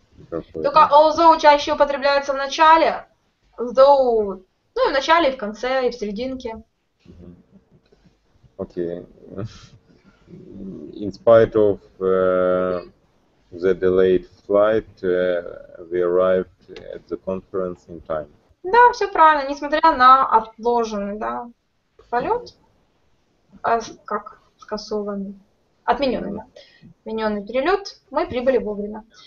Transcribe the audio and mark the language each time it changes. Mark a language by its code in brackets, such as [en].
[ru] Только although чаще употребляется в начале, though, ну и в начале, и в конце, и в серединке. Окей. [en] In spite of the delayed flight, we arrived at the conference in time. [ru] Да, все правильно. Несмотря на отложенный, да, полет, как скасованный, отмененный, да, отмененный перелет, мы прибыли вовремя.